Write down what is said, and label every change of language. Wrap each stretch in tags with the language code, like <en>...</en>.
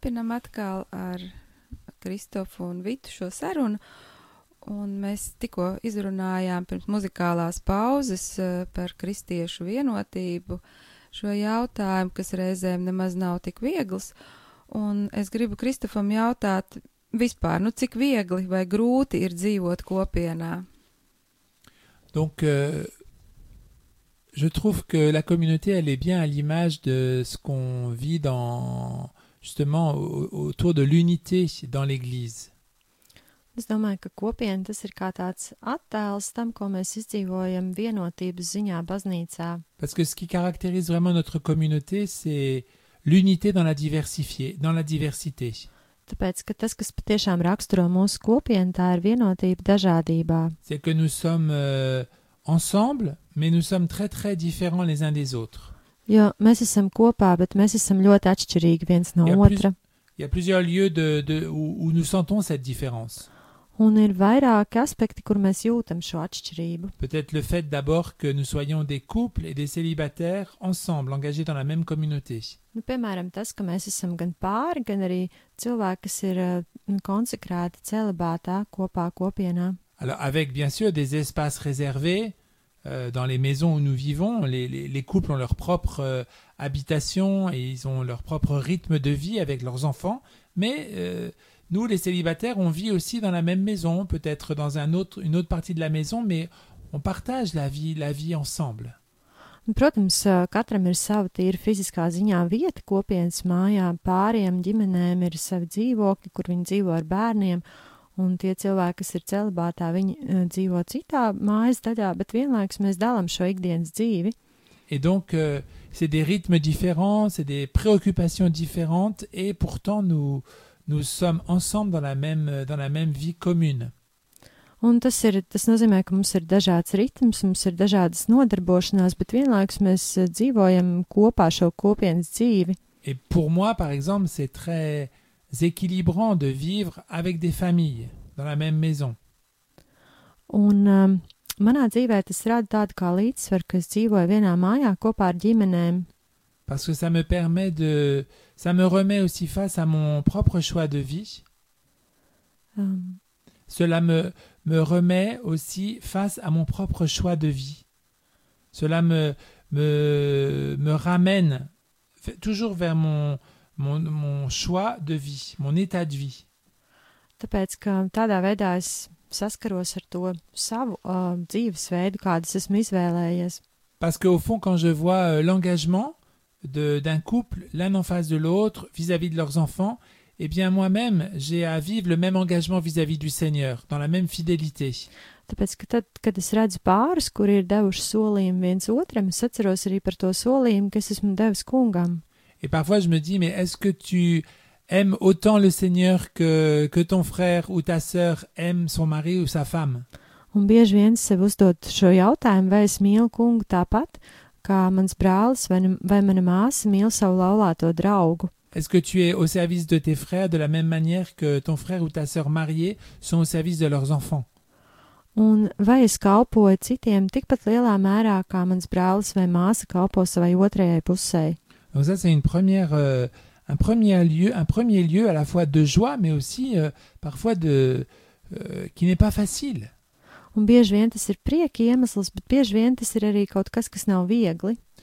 <lv>atkal ar Kristofu un Vitu šo sarunu, un mēs tikko izrunājām pirms muzikālās pauzes par kristiešu vienotību šo jautājumu, kas reizēm nemaz nav tik viegls, un es gribu Kristofam jautāt vispār, nu cik viegli vai grūti ir dzīvot kopienā?</lv> <fr>Donc, je trouve que la communauté, elle est bien à l'image de ce qu'on vit dans justement autour de l'unité dans l'église.</fr> <lv>Es domāju, ka kopiena tas ir kā tāds attēls tam, ko mēs izdzīvojam vienotības ziņā baznīcā.</lv> <fr>Parce que ce qui caractérise vraiment notre communauté, c'est l'unité dans la diversité.</fr> <lv>Tāpēc, ka tas, kas patiešām raksturo mūsu kopienu, tā ir vienotība dažādībā.</lv> <fr>C'est que nous sommes ensemble, mais nous sommes très très différents les uns des autres.</fr> <lv>Jo, mēs esam kopā, bet mēs esam ļoti atšķirīgi viens no otra.</lv> <fr>Il y a plusieurs lieux où nous sentons cette différence.</fr> <lv>Un ir vairāki aspekti, kur mēs jūtam šo atšķirību.</lv> <fr>Peut-être le fait d'abord que nous soyons des couples et des célibataires ensemble, engagés dans la même communauté.</fr> <lv>Nu, piemēram, tas, ka mēs esam gan pāri, gan arī cilvēki, kas ir konsekrāti celibātā kopā kopienā.</lv> <fr>Alors, avec bien sûr des espaces réservés, dans les maisons où nous vivons, les couples ont leur propre habitation et ils ont leur propre rythme de vie avec leurs enfants. Mais nous, les célibataires, on vit aussi dans la même maison, peut-être dans une autre partie de la maison, mais on partage la vie ensemble.</fr> <lv>Protams, katram ir sava tīra fiziskā ziņā vieta kopienas mājā, pāriem, ģimenēm ir savi dzīvokļi, kur viņi dzīvo ar bērniem. Un tie cilvēki, kas ir celibātā, viņi dzīvo citā mājas daļā, bet vienlaikus mēs dalām šo ikdienas dzīvi.</lv> <fr>Et donc, c'est des rythmes différents, c'est des préoccupations différentes, et pourtant nous sommes ensemble dans la même vie commune.</fr> <lv>Un tas nozīmē, ka mums ir dažāds ritms, mums ir dažādas nodarbošanās, bet vienlaikus mēs dzīvojam kopā šo kopienas dzīvi.</lv> <fr>Et pour moi, par exemple, c'est très équilibrant de vivre avec des familles dans la même maison.</fr> <lv>Un manā dzīvē tas rada tādu kā līdzsvaru, ka es dzīvoju vienā mājā kopā ar ģimenēm.</lv> <fr>Parce que ça me remet aussi face à mon propre choix de vie. Cela me remet aussi face à mon propre choix de vie. Cela me ramène toujours vers mon mon choix de vie, mon état de vie.</fr> <lv>Tāpēc, ka tādā veidā es saskaros ar to savu dzīves veidu, kādas esmu izvēlējies.</lv> <fr>Parce que au fond quand je vois l'engagement d'un couple l'un en face de l'autre vis-à-vis de leurs enfants, eh bien moi-même, j'ai à vivre le même engagement vis-à-vis du Seigneur dans la même fidélité.</fr> <lv>Tāpēc, ka tad, kad es redzu pāris, kuri ir devuši solījumu viens otram, es atceros arī par to solījumu, kas esmu devis kungam.</lv> <fr>Et parfois je me dis, mais est-ce que tu aimes autant le Seigneur que ton frère ou ta sœur aime son mari ou sa femme?</fr> <lv>Un bieži vien sev uzdot šo jautājumu, vai es mīlu kungu tāpat, kā mans brālis vai mana māsa mīl savu laulāto draugu.</lv> <fr>Est-ce que tu es au service de tes frères de la même manière que ton frère ou ta sœur mariée sont au service de leurs enfants?</fr> <lv>Un vai es kalpoju citiem tikpat lielā mērā, kā mans brālis vai māsa kalpo savai otrajai pusei.</lv> <fr>Donc ça c'est une première un premier lieu à la fois de joie mais aussi parfois de qui n'est pas facile.</fr> <lv>Un bieži vien tas ir prieka iemesls, bet bieži vien tas ir arī kaut kas, kas nav viegli.</lv>